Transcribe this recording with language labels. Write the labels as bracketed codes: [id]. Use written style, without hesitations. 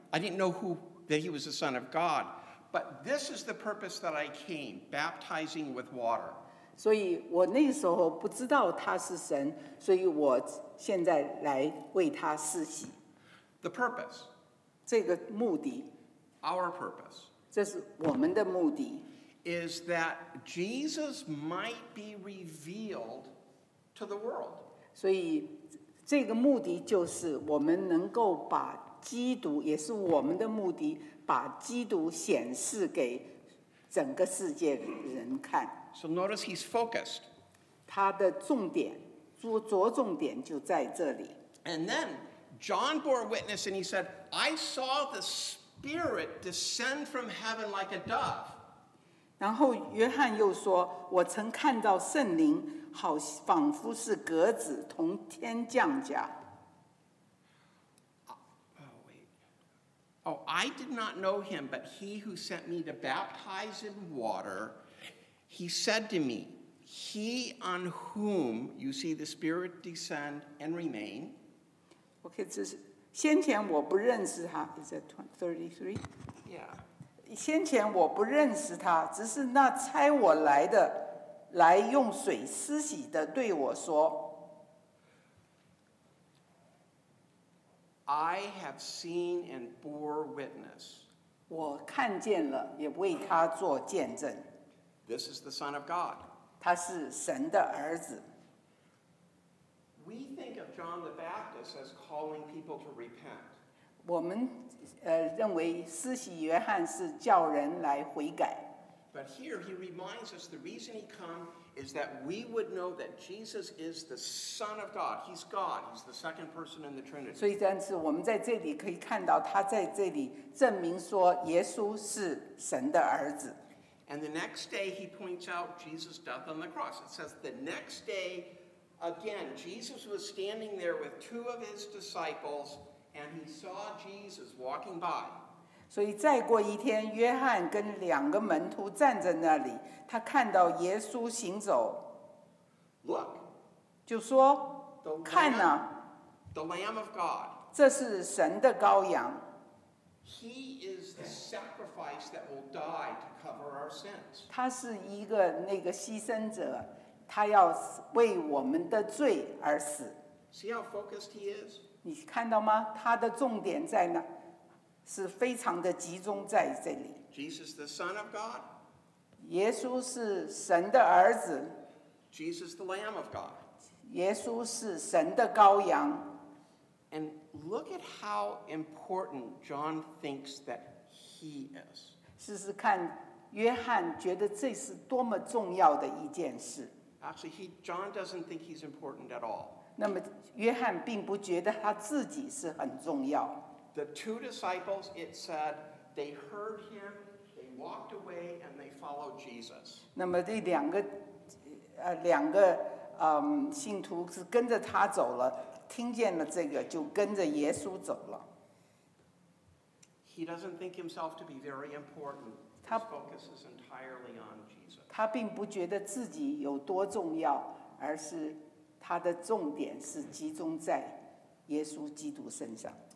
[en] I didn't know that he was the Son of God. But this is the purpose that I came, baptizing with water. [zh] 所以我那时候不知道他是神，所以我现在来为他施洗。 [en] The purpose. [zh] 这个目的。 [en] Our purpose. [zh] 这是我们的目的。 [en] Is that Jesus might be revealed to the world. [zh] 所以这个目的就是我们能够把基督，也是我们的目的，把基督显示给整个世界人看。 [en] So notice he's focused. [zh] 他的重点，着重点就在这里。 [en] And then John bore witness and he said, I saw the Spirit descend from heaven like a dove. [zh] 然后约翰又说，我曾看到圣灵好仿佛是鸽子从天降下。 [en] Oh, I did not know him, but he who sent me to baptize in water, he said to me, he on whom you see the Spirit descend and remain. [zh] Okay, 这是先前我不认识他。 [en] Is that 33? Yeah. [zh] 先前我不认识他，只是那差我来的，来用水施洗的对我说。 [en] I have seen and bore witness. [zh] 我看见了，也为他做见证。 [en] This is the Son of God. [zh] 他是神的儿子。 [en] We think of John the Baptist as calling people to repent. [zh] 我们认为施洗约翰是叫人来悔改。 [en] But here he reminds us the reason he come is that we would know that Jesus is the Son of God. He's God. He's the second person in the Trinity. [zh] 所以但是我们在这里可以看到他在这里证明说耶稣是神的儿子。 [en] And the next day he points out Jesus' death on the cross. It says the next day, again, Jesus was standing there with two of his disciples and he saw Jesus walking by. [zh] 所以再过一天约翰跟两个门徒站在那里他看到耶稣行走。 [en] Look, [zh] 就说 [en] the [zh] 看哪 [en] the Lamb of God. [zh] 这是神的羔羊。 [en] He is the sacrifice that will die to cover our sins. [zh] 他是一个那个牺牲者，他要为我们的罪而死。 [en] See how focused he is? [zh] 你看到吗？他的重点在哪？是非常的集中在这里。 [en] Jesus, the Son of God. [zh] 耶稣是神的儿子。 [en] Jesus, the Lamb of God. [zh] 耶稣是神的羔羊。 [en] And look at how important John thinks that he is. [zh] 试试看，约翰觉得这是多么重要的一件事。 [en] Actually, John doesn't think he's important at all. [zh] 那么，约翰并不觉得他自己是很重要。 [en] The two disciples, it said, they heard him, they walked away, and they followed Jesus. [zh] 那么这两个，两个，信徒是跟着他走了。听见了这个就跟着耶稣走了。 [en] He doesn't think himself to be very important. He focuses entirely on Jesus. [zh] 他并不觉得自己有多重要，而是他的重点是集中在耶稣基督身上。